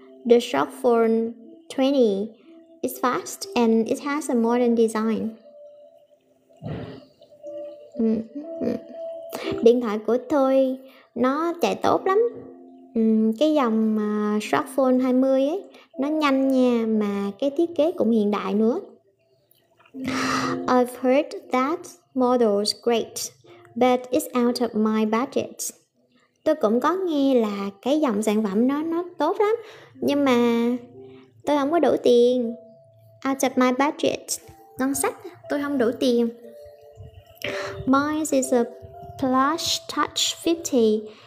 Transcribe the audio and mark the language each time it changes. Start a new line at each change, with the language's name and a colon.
English: The Sharp Phone 20 is fast and it has a modern design.
Vietnamese: Điện thoại của tôi nó chạy tốt lắm. Cái dòng Sharp Phone 20 ấy, nó nhanh nha, mà cái thiết kế cũng hiện đại nữa.
English: I've heard that model's great, but it's out of my budget.
Vietnamese: Tôi cũng có nghe là cái dòng sản phẩm nó tốt lắm, nhưng mà tôi không có đủ tiền.
English: Out of my budget.
Vietnamese: Ngân sách, tôi không đủ tiền.
English: Mine is a Plush Touch 50.